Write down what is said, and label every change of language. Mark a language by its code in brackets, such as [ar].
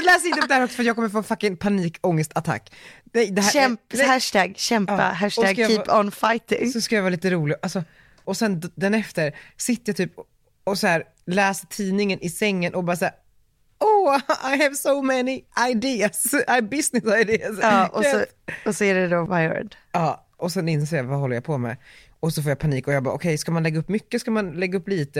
[sv] Läs inte det där också, för jag kommer få fucking panikångestattack. [en] Hashtag keep on fighting. [sv] Så ska jag vara lite rolig alltså. Och sen den efter sitter jag typ och så här, läser tidningen i sängen och bara så här, [en] oh, I have so many ideas, business ideas. [sv] Ja, och så är det då [en] my word. [sv] Ja, och sen inser jag, vad håller jag på med? Och så får jag panik och jag bara, okej, ska man lägga upp mycket, ska man lägga upp lite?